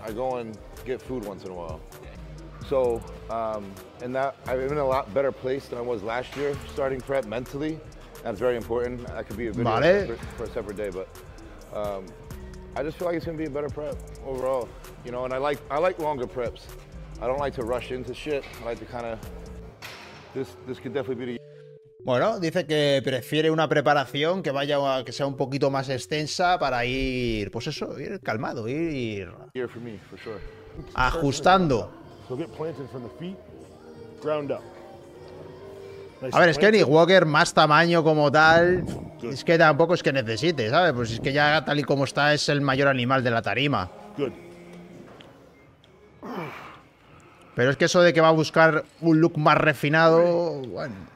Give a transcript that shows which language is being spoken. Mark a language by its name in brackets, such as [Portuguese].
[English] I go and get food once in a while. So, and that I'm in a lot better place than I was last year starting prep mentally. That's very important. That could be a video for a separate day, but. I just feel like it's going to be a better prep overall, you know, and I like longer preps. I don't like to rush into shit. I like to kind of this could definitely be the [Spanish] Bueno, dice que prefiere una preparación que vaya a, que sea un poquito más extensa para ir, pues eso, ir calmado, ir [English] Here for me, for sure. [Spanish] ajustando. [English] So get planted from the feet, ground up. [Spanish] A ver, es que Kenny Walker, más tamaño como tal, es que tampoco es que necesite, ¿sabes? Pues es que ya tal y como está, es el mayor animal de la tarima. [English] Good. [Spanish] Pero es que eso de que va a buscar un look más refinado, bueno.